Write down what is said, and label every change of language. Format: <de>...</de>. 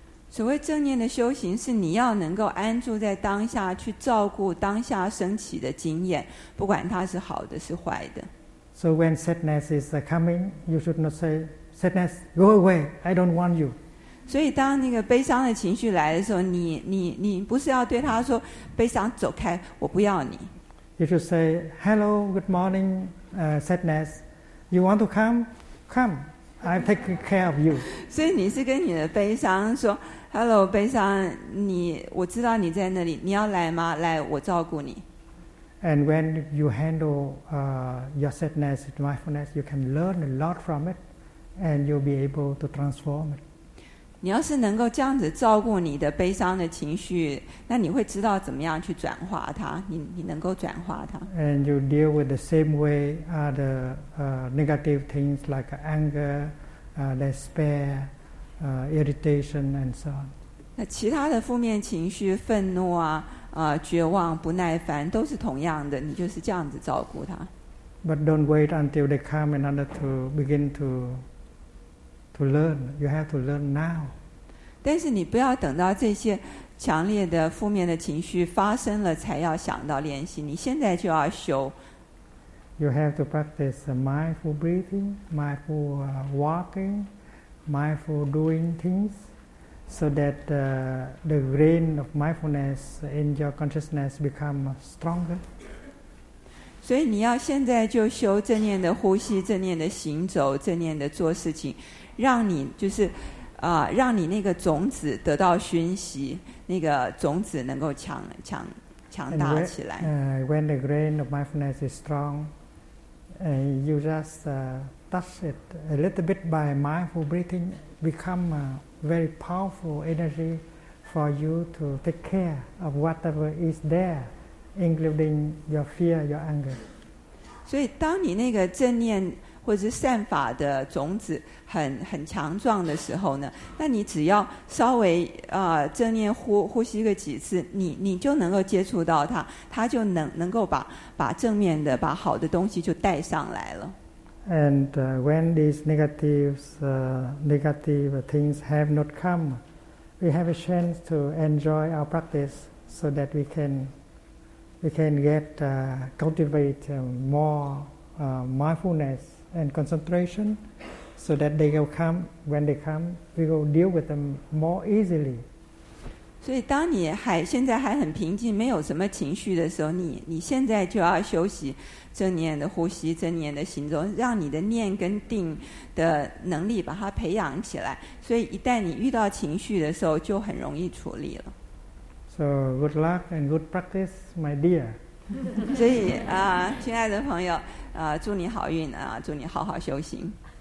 <zh>所谓正念的修行，是你要能够安住在当下，去照顾当下升起的经验，不管它是好的是坏的。</zh> <en>So when sadness is coming, you should not say, "Sadness, go away. I don't want you."</en> <zh>所以当那个悲伤的情绪来的时候，你不是要对他说，悲伤走开，我不要你。</zh> <en>You should say, "Hello, good morning, sadness. You want to come? Come. I take care of you."</en> <zh>所以你是跟你的悲伤说 ，"Hello, 悲伤，我知道你在那里，你要来吗？来，我照顾你。</zh> <en>And when you handle your sadness with mindfulness, you can learn a lot from it, and you'll be able to transform it.</en> <zh>你要是能够这样子照顾你的悲伤的情绪，那你会知道怎么样去转化它。你能够转化它。</zh> <en>And you deal with the same way the negative things like anger, despair, irritation, and so on.</en> <zh>那其他的负面情绪，愤怒啊。绝望、不耐烦，都是同样的。你就是这样子照顾他。</zh> <en>But don't wait until they come in order to begin to learn. You have to learn now.</en> <zh>但是你不要等到这些强烈的负面的情绪发生了才要想到练习。你现在就要修。</zh> <en>You have to practice mindful breathing, mindful walking, mindful doing things. So that the grain of mindfulness in your consciousness become stronger.</en> <zh>所以你要现在就修正念的呼吸、正念的行走、正念的做事情，让你就是让你那个种子得到熏习，那个种子能够强大起来。</zh> <en>When the grain of mindfulness is strong, you just touch it a little bit by mindful breathing, become. Very powerful energy for you to take care of whatever is there, including your fear, your anger.</en> <zh>所以，当你那个正念或者是善法的种子很强壮的时候呢，那你只要稍微正念呼吸个几次，你就能够接触到它，它就能够把正面的、把好的东西就带上来了。</zh> <en>And when these negative things have not come, we have a chance to enjoy our practice so that we can cultivate more mindfulness and concentration so that they will come. When they come, we will deal with them more easily.</en> <zh>所以当你现在还很平静，没有什么情绪的时候，你现在就要休息正念的呼吸，正念的行走，让你的念跟定的能力把它培养起来。所以一旦你遇到情绪的时候，就很容易处理了。</zh> <en>So good luck and good practice, my dear.</en> <zh>所以啊，亲爱的朋友，祝你好运啊，祝你好好修行。</zh>